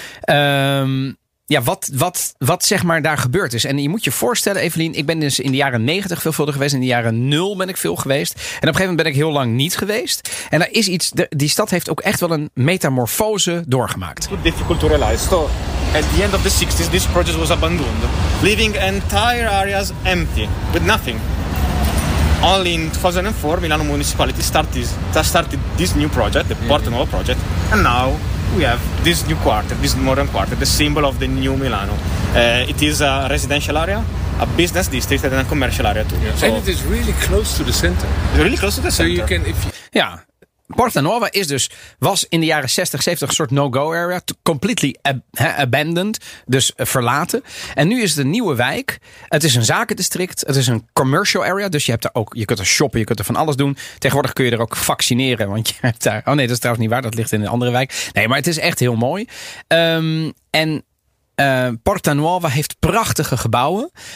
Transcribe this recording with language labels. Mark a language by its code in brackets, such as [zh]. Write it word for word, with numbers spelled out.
[nl] Um, ja, wat, wat, wat zeg maar daar gebeurd is. En je moet je voorstellen, Evelien, ik ben dus in de jaren negentig veelvuldig geweest. In de jaren nul ben ik veel geweest. En op een gegeven moment ben ik heel lang niet geweest. En daar is iets, de, die stad heeft ook echt wel een metamorfose doorgemaakt. [en] Difficult to realize. So, at the end of the sixties, this project was abandoned. Leaving entire areas empty, with nothing. Only in two thousand four, Milano municipality started, started this new project, the Porta Nuova project. And now... we have this new quarter, this modern quarter, the symbol of the new Milano. Uh, it is a residential area, a business district, and a commercial area too. Yeah. So and it is really close to the center. Really close to the center. So you can, if you... Yeah. [nl] Porta Nuova is dus, was in de jaren zestig, zeventig een soort no-go area. [en] Completely ab- he, abandoned. [nl] Dus verlaten. En nu is het een nieuwe wijk. Het is een zakendistrict. Het is een commercial area. Dus je hebt er ook, je kunt er shoppen. Je kunt er van alles doen. Tegenwoordig kun je er ook vaccineren. Want je hebt daar... Oh nee, dat is trouwens niet waar. Dat ligt in een andere wijk. Nee, maar het is echt heel mooi. Um, en uh, Porta Nuova heeft prachtige gebouwen.